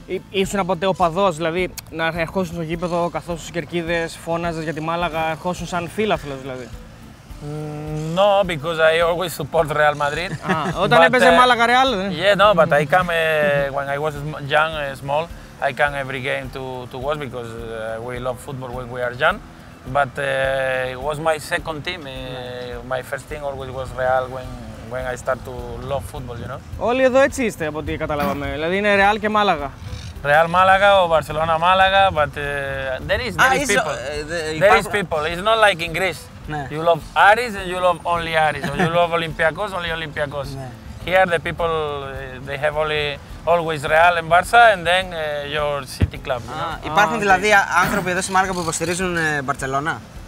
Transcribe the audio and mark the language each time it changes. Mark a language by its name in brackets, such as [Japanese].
[Greek] Ήσουν ποτέ οπαδός, δηλαδή να ερχόσουν στο γήπεδο καθώς στους κερκίδες φώναζες για τη Μάλαγα, ερχόσουν σαν φίλαθλος δηλαδή? [English] No, because I always support Real Madrid. [Greek] Όταν έπαιζε Μάλαγα Real, δεν? [English] Yeah, no, but I come when I was young, small, I come every game to watch because we love football when we are young. But it was my second team. My first team always was Real when I start to love football, you know. [Greek] Όλοι εδώ έτσι είστε, από ό,τι καταλάβαμε. Δηλαδή είναι Real και Μάλαγα. [English] Real Μάλαγα, ο Barcelona Μάλαγα, but there is people. There is people. It's not like in Greece. You love Άρης and you love only Άρης. You love Olympiacos, only Olympiacos. Here the people they have only. Always Real and Barça and then your city club. You know? [Greek] Υπάρχουν δηλαδή άνθρωποι εδώ στη Μάλαγα που υποστηρίζουν Μπαρτσελόνα.